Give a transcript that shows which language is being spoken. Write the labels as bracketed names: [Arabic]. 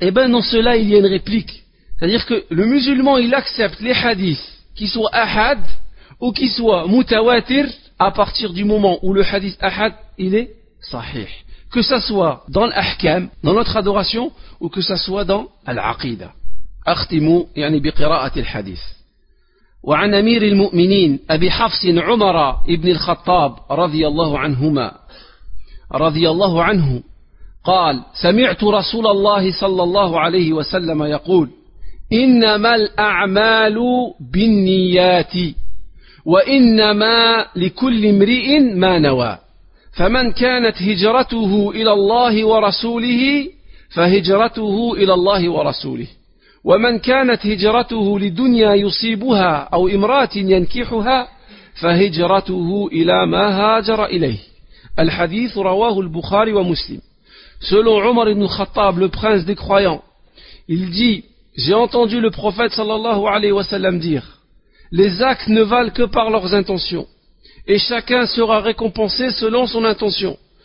[French] Eh bien dans cela, il y a une réplique. C'est-à-dire que le musulman, il accepte les hadiths qui soient ahad ou qui soient mutawatir à partir du moment où le hadith ahad, il est sahih. Que ça soit dans l'ahkam, dans notre adoration, ou que ça soit dans l'aqida. [Arabic] Akhtimu, yani biqira'ati l'hadith. وعن أمير المؤمنين أبي حفص عمر بن الخطاب رضي الله عنهما رضي الله عنه قال سمعت رسول الله صلى الله عليه وسلم يقول إنما الأعمال بالنيات وإنما لكل امرئ ما نوى فمن كانت هجرته إلى الله ورسوله فهجرته إلى الله ورسوله ومن كانت هجرته لدنيا يصيبها أو امرأة ينكحها فهجرته إلى ما هاجر إليه. الحديث رواه البخاري ومسلم. [French] Selon Omar ibn Khattab, le prince des croyants, Il dit, j'ai entendu le prophète sallallahu alayhi wa sallam dire, les actes ne valent que par leurs intentions, et chacun sera récompensé selon son intention.